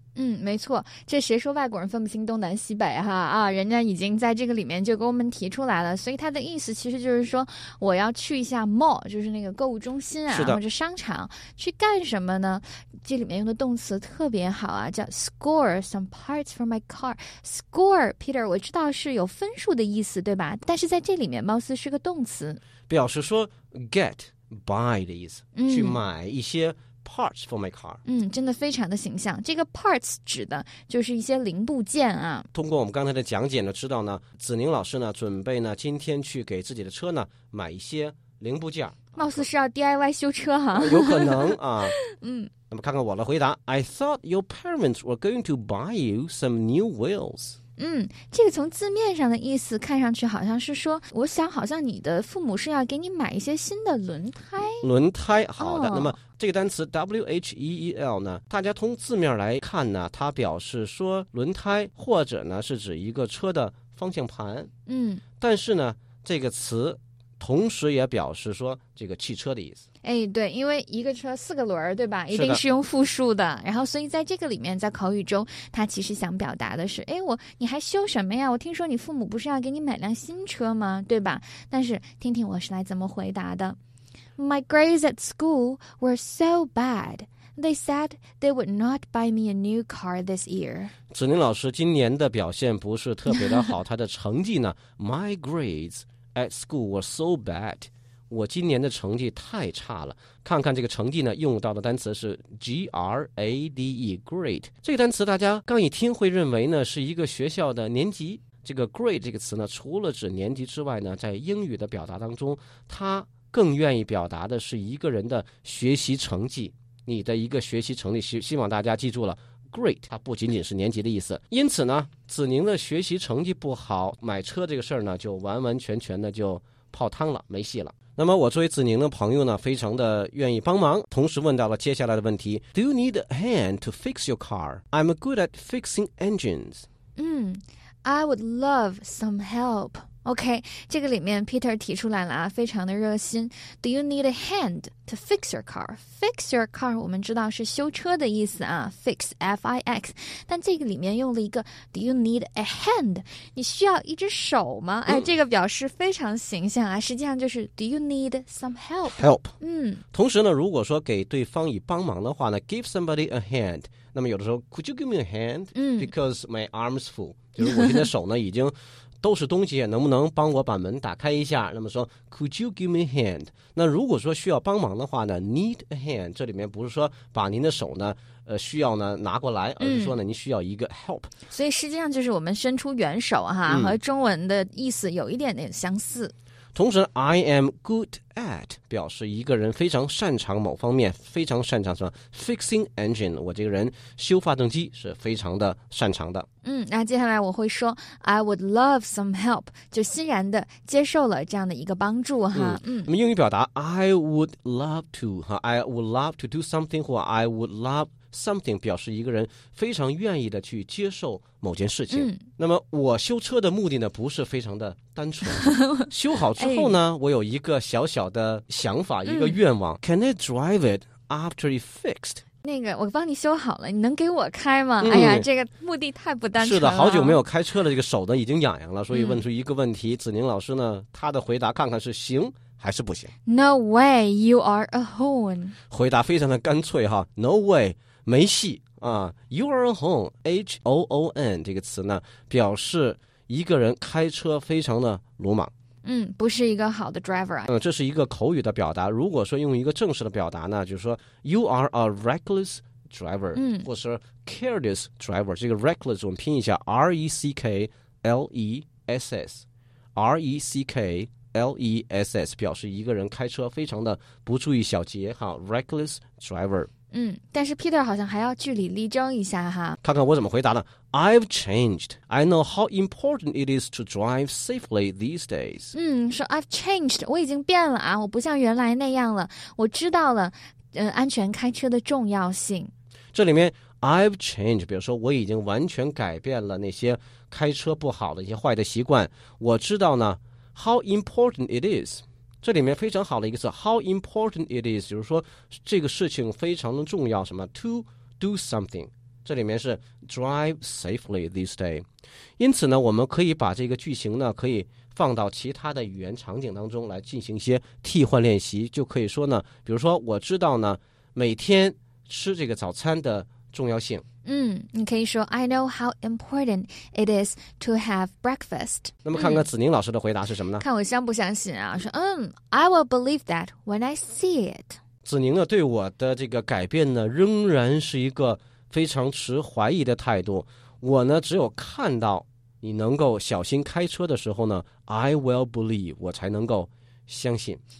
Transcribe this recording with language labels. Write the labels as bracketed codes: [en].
[zh] 嗯，没错，这谁说外国人分不清东南西北哈啊，人家已经在这个里面就给我们提出来了，所以他的意思其实就是说我要去一下 mall， 就是那个购物中心啊，或者商场去干什么呢？这里面用的动词特别好啊，叫 [en] score some parts for my car。 [zh] score Peter 我知道是有分数的意思对吧，但是在这里面貌似是个动词，表示说 get buy 的意思，去买一些 [en] parts for my car。 [zh] 真的非常的形象，这个 parts 指的就是一些零部件啊。通过我们刚才的讲解呢知道呢，子宁老师呢准备呢今天去给自己的车呢买一些零部件，貌似是要 DIY 修车哈，有可能啊。嗯，那么看看我的回答 [en] I thought your parents were going to buy you some new wheels。 [zh] 这个从字面上的意思看上去好像是说，我想好像你的父母是要给你买一些新的轮胎。轮胎，好的。那么这个单词 wheel 呢，大家从字面来看呢，它表示说轮胎，或者呢是指一个车的方向盘。但是呢，这个词同时也表示说这个汽车的意思。哎，对，因为一个车四个轮儿，对吧？一定是用复数的。然后，所以在这个里面，在口语中，他其实想表达的是，哎，你还修什么呀？我听说你父母不是要给你买辆新车吗？对吧？但是听听我是来怎么回答的 [en] ：My grades at school were so bad. They said they would not buy me a new car this year. [zh] 子宁老师今年的表现不是特别的好，他的成绩呢 ？ [en] My grades at school were so bad. [zh] 我今年的成绩太差了，看看这个成绩呢用到的单词是 grade， great 这个单词大家刚一听会认为呢是一个学校的年级，这个 grade 这个词呢除了指年级之外呢，在英语的表达当中它更愿意表达的是一个人的学习成绩，你的一个学习成绩，希望大家记住了Great， 它不仅仅是年级的意思。因此呢，子宁的学习成绩不好，买车这个事儿呢，就完完全全的就泡汤了，没戏了。那么我作为子宁的朋友呢，非常的愿意帮忙，同时问到了接下来的问题 ： [en] Do you need a hand to fix your car? I'm good at fixing engines. I would love some help. [zh] OK， 这个里面 Peter 提出来了啊，非常的热心。 [en] Do you need a hand to fix your car? [zh] Fix your car， 我们知道是修车的意思啊 ，fix F-I-X， 但这个里面用了一个 [en] Do you need a hand？ [zh] 你需要一只手吗？哎，这个表示非常形象啊，实际上就是 [en] Do you need some help？ Help。嗯， [zh] 同时呢，如果说给对方以帮忙的话呢 ， [en] give somebody a hand。 [zh] 那么有的时候 [en] ，Could you give me a hand？ Because my arm's full， [zh] 就是我现在手呢已经都是东西，能不能帮我把门打开一下？那么说 [en] ，Could you give me a hand？ [zh] 那如果说需要帮忙的话呢 ， [en] need a hand， [zh] 这里面不是说把您的手呢，需要呢拿过来，而是说呢，您需要一个 help。所以实际上就是我们伸出援手哈，和中文的意思有一点点相似。同时 [en] I am good at [zh] 表示一个人非常擅长某方面，非常擅长什么 [en] fixing engine， [zh] 我这个人修发动机是非常的擅长的。那接下来我会说 [en] I would love some help， [zh] 就欣然的接受了这样的一个帮助哈。那么英语表达 [en] I would love to [zh] 和 [en] I would love to do something [zh] 或 [en] I would love something [zh] 表示一个人非常愿意的去接受某件事情。那么我修车的目的呢不是非常的单纯，修好之后呢、我有一个小小的想法，一个愿望。 [en] Can I drive it after it's fixed？ [zh] 那个我帮你修好了，你能给我开吗？哎呀，这个目的太不单纯了。是的，好久没有开车了，这个手呢已经痒痒了，所以问出一个问题。子宁老师呢，他的回答看看是行还是不行。 [en] No way, you are a hoon， [zh] 回答非常的干脆哈。 [en] No way， [zh] 没戏啊。 [en] You are a hoon， [zh] H-O-O-N 这个词呢表示一个人开车非常的鲁莽，不是一个好的 driver。这是一个口语的表达，如果说用一个正式的表达呢，就是说 [en] You are a reckless driver， [zh] 或是 [en] careless driver。 [zh] 这个 reckless 我们拼一下 R-E-C-K-L-E-S-S R-E-C-K-L-E-S-S 表示一个人开车非常的不注意小节哈， [en] reckless driver。 [zh] 但是 Peter 好像还要据理力争一下哈，看看我怎么回答呢。 [en] I've changed. I know how important it is to drive safely these days. [zh] 说 [en] I've changed， [zh] 我已经变了啊，我不像原来那样了，我知道了安全开车的重要性。这里面 [en] I've changed， [zh] 比如说我已经完全改变了那些开车不好的一些坏的习惯，我知道呢 [en] how important it is。 [zh] 这里面非常好的一个词 [en] How important it is， [zh] 就是说这个事情非常的重要，什么 [en] To do something， [zh] 这里面是 [en] Drive safely this day。 [zh] 因此呢，我们可以把这个句型呢可以放到其他的语言场景当中来进行一些替换练习，就可以说呢，比如说我知道呢每天吃这个早餐的重要性。你可以说 [en] I know how important it is to have breakfast。 [zh] 那么看看子宁老师的回答是什么呢，看我相不相信啊。说 [en] I will believe that when I see it。 [zh] 子宁呢对我的这个改变呢仍然是一个非常持怀疑的态度，我呢只有看到你能够小心开车的时候呢 [en] I will believe， [zh] 我才能够相信。